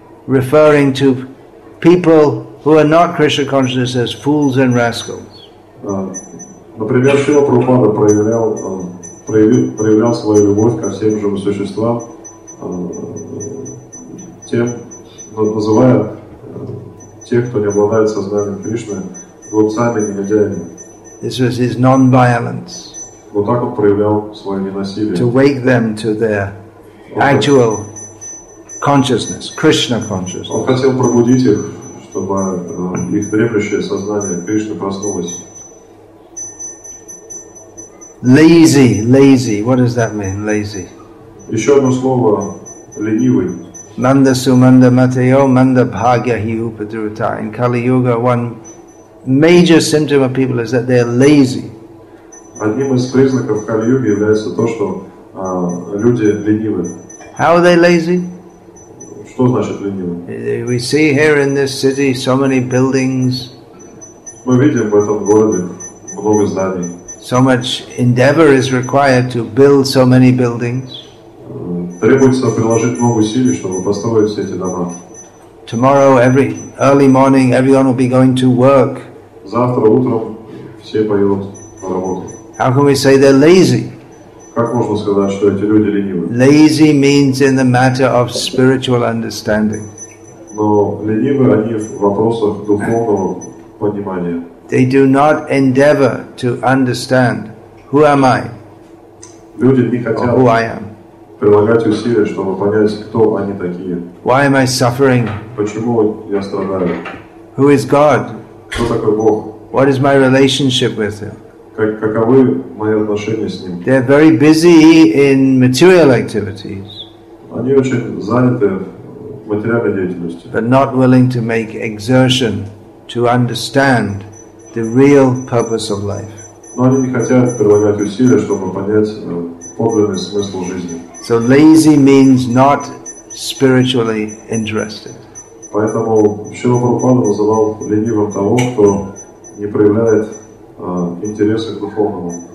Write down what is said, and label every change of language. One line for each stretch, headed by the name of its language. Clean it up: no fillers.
English: referring to people who are not Krishna conscious as fools and rascals.
Russian: Например, Шрила Прабхупада проявлял свою любовь ко всем живым существам, называя тех, кто не обладает сознанием Кришны, глупцами, негодяями.
English: This was his non-violence.
Russian: Вот так он проявлял свое ненасилие.
English: To wake them to their actual consciousness, Krishna consciousness.
Russian: Он хотел пробудить их, чтобы их дремлющее сознание Кришны проснулось.
English: Lazy. What does that mean, lazy?
Russian: Еще одно слово, ленивый.
Sanskrit: Manda sumanda mateo manda bhagya hi upadruta.
English: In Kali Yuga, one major symptom of people is that they are lazy.
Russian: Одним из признаков Кали Юги является то, что люди ленивы.
English: How are they lazy?
Russian: Что значит ленивы?
English: We see here in this city so many buildings.
Russian: Мы видим в этом городе много зданий.
English: So much endeavor is required to build so many buildings.
Russian: Требуется приложить много усилий, чтобы построить все эти дома.
English: Tomorrow, every early morning, everyone will be going to work.
Russian: Завтра утром все поедут на работу.
English: How can we say they're lazy?
Russian: Как можно сказать, что эти люди ленивы?
English: Lazy means in the matter of spiritual understanding.
Russian: Но ленивы они в вопросах духовного понимания.
English: They do not endeavor to understand who am I or who I am.
Russian: Прилагать усилия, чтобы понять, кто они такие.
English: Why am I suffering?
Russian: Почему я страдаю?
English: Who is God?
Russian: Кто такой Бог?
English: What is my relationship with Him?
Russian: Каковы мои отношения с Ним?
English: They're very busy in material activities.
Russian: Они очень заняты в материальной деятельности.
English: But not willing to make exertion to understand the real purpose of life.
Russian: Но они не хотят прилагать усилия, чтобы понять подлинный смысл жизни.
English: So lazy means not spiritually interested.
Russian: Поэтому Шрила Прабхупада называл ленивым того, кто не проявляет интереса к духовному.